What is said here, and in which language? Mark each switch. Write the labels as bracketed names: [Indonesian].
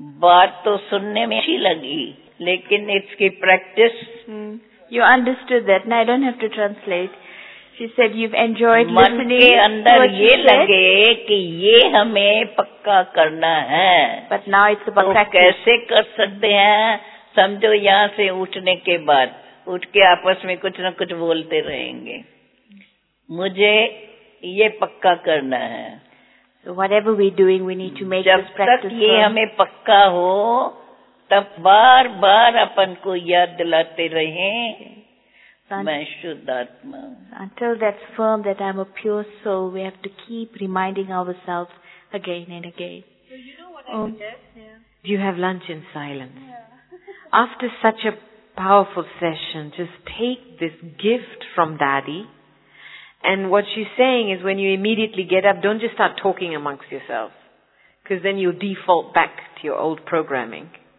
[Hindi] Baat to sunne mein achhi lagi. Lekin it's ki practice. [English] You understood that. Now I don't have to translate. She said you've enjoyed listening. [Hindi] Man ke andar ye lage ki ye hume pakka karna hai. [English] But now it's about practice. [Hindi] To kaise kar sakte hain? समझो यहाँ से उठने के बाद उठ के आपस में कुछ न कुछ बोलते रहेंगे मुझे ये पक्का करना है [English] whatever we doing we need to make this practice [Hindi] जब तक ये हमें पक्का हो तब बार बार अपन को याद दिलाते रहें मैं शुद्ध आत्मा [English] Until that's firm that I am a pure soul we have to keep reminding ourselves again and again so you know what I suggest Do you have lunch in silence? Yeah. After such a powerful session, just take this gift from Daddy. And what she's saying is, when you immediately get up, don't just start talking amongst yourselves, because then you'll default back to your old programming.